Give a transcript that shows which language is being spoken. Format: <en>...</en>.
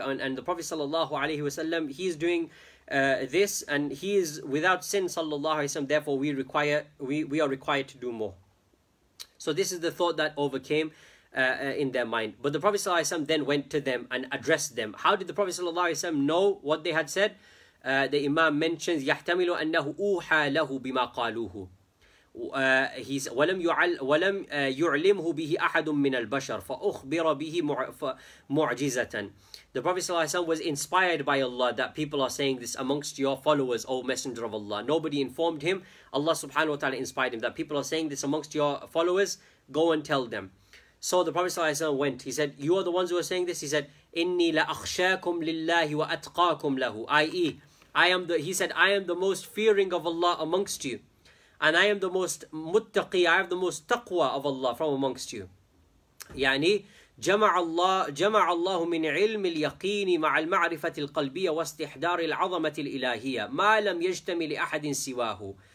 <en>And the Prophet sallallahu alaihi wasallam, he's doing this, and he is without sin, sallallahu alaihi wasallam. Therefore, we are required to do more. So this is the thought that overcame in their mind. But the Prophet sallallahu alaihi wasallam then went to them and addressed them. How did the Prophet sallallahu alaihi wasallam know what they had said? The Imam mentions</en> <ar>يَحْتَمِلُ أَنَّهُ أُوحَى لَهُ بِمَا قَالُوهُ.</ar> <en>He's</en> <ar>وَلَمْ يُعْلِمْهُ بِهِ أَحَدٌ مِنَ الْبَشَرِ فَأُخْبِرَ بِهِ مُعْجِزَةً.</ar> <en>The Prophet ﷺ was inspired by Allah that people are saying this amongst your followers, O Messenger of Allah. Nobody informed him. Allah subhanahu wa ta'ala inspired him that people are saying this amongst your followers. Go and tell them. So the Prophet ﷺ went. He said, you are the ones who are saying this. He said,</en> <ar>إِنِّي لَأَخْشَاكُمْ لِلَّهِ وَأَتْقَاكُمْ لَهُ.</ar> <en>I.e. He said, I am the most fearing of Allah amongst you. And I am the most muttaqi, I have the most taqwa of Allah from amongst you.</en> <ar>Yani, جَمَعَ اللَّهُ مِنْ عِلْمِ الْيَقِينِ مَعَ الْمَعْرِفَةِ الْقَلْبِيَّةِ وَاسْتِحْدَارِ الْعَظَمَةِ الْإِلَهِيَّةِ مَا لَمْ يَجْتَمِ لِأَحَدٍ سِوَاهُ.</ar>